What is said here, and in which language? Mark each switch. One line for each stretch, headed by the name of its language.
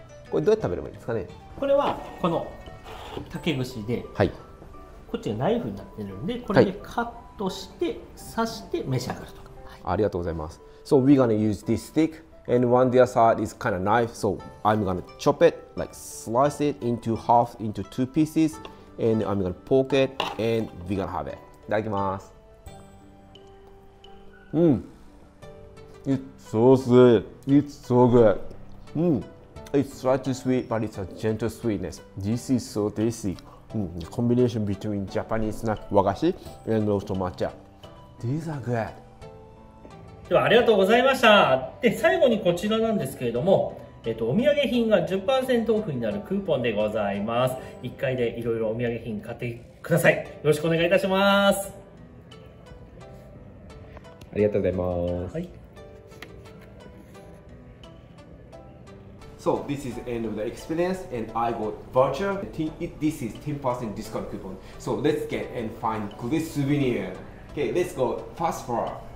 Japanese: これどうやって食べればいいですかね。これはこの竹串で、はい、こっちがナイフになってるんで、これでカットして、はい、刺して召し上がると、はい、ありがとうございます。
English: So we're gonna use this stick and one the other side is kind of knife. So I'm gonna chop it, like slice it into half, into two pieces, and I'm gonna poke it and we're gonna have it.
Japanese: いただきます。
English: うん、 It's so sweet. It's so good. うん、It's slightly sweet, but it's a gentle sweetness. This is so tasty. The combination between Japanese snack, wagashi, and also matcha. These are good.
Japanese: ではありがとうございました。で、最後にこちらなんですけれども、お土産品が 10% オフになるクーポンでございます。 1回でいろいろお土産品買ってください。よろしくお願いいたします。ありがとうございます。はい。
English: So this is the end of the experience and I got voucher. This is 10% discount coupon. So let's get and find good souvenir. Okay, let's go fast for her.